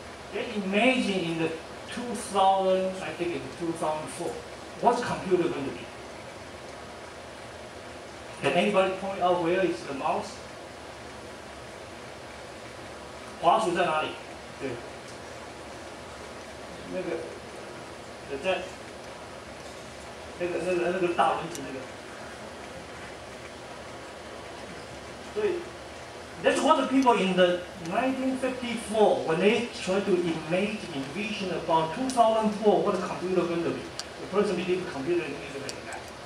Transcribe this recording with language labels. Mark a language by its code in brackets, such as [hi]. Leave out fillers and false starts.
[en] Okay, imagine in the 2000, I think in 2004, what's computer going to be? Can anybody point out where is the mouse? [zh] 滑鼠在哪里？对，那个，在那个大轮子那个。 [en] 对 ，That's what the people in the 1954 when they try to imagine envision about 2004 what a computer going to be. The person believe computer is going to be like that.